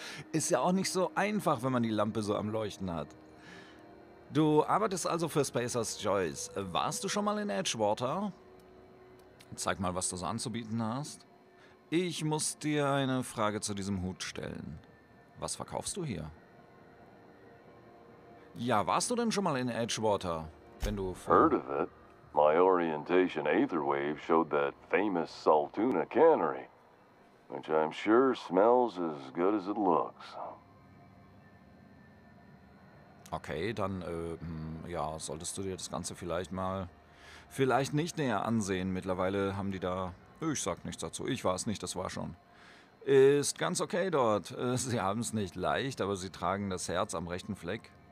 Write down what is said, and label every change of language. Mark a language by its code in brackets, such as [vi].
[de] Ist ja auch nicht so einfach, wenn man die Lampe so am Leuchten hat. Du arbeitest also für Spacer's Choice. Warst du schon mal in Edgewater? Zeig mal, was du so anzubieten hast. Ich muss dir eine Frage zu diesem Hut stellen. Was verkaufst du hier? Ja, warst du denn schon mal in Edgewater? Wenn du... [en] Heard of it. My orientation Aetherwave showed that famous Saltuna cannery, which I'm sure smells as good as it looks. [de] Okay, dann, ja, solltest du dir das Ganze vielleicht mal, vielleicht nicht näher ansehen. Mittlerweile haben die da, ich sag nichts dazu, ich war es nicht, das war schon. Ist ganz okay dort. Sie haben es nicht leicht, aber sie tragen das Herz am rechten Fleck.